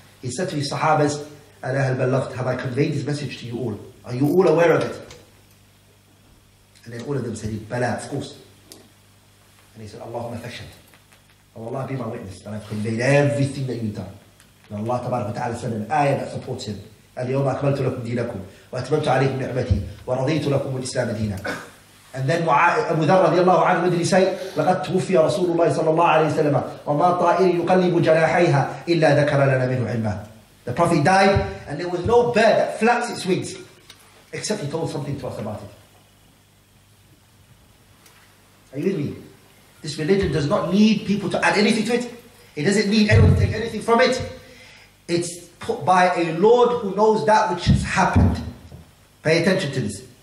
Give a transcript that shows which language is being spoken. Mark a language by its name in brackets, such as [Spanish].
[English] He said to his sahabas, Ala hal balaght, have I conveyed this message to you all? Are you all aware of it? And then all of them said, Bala, of course. And he said, Allahumma fashhad. Oh Allah, be my witness that I've conveyed everything that you've done. And Allah tabarak wa ta'ala said an ayah that supports him. [Arabic] اليوم أكملت لكم دينكم وأتممت عليكم نعمتي ورضيت لكم الإسلام دينا. And then أبو ذر رضي الله عنه مدري سي لقد توفي رسول الله صلى الله عليه وسلم وما طائر يقلب جناحيها إلا ذكر لنا منه علما. [English] The prophet died and there was no bird that flaps its wings except he told something to us about it. Are you with me? This religion does not need people to add anything to it. It doesn't need anyone to take anything from it. It's put by a Lord who knows that which has happened. Pay attention to this.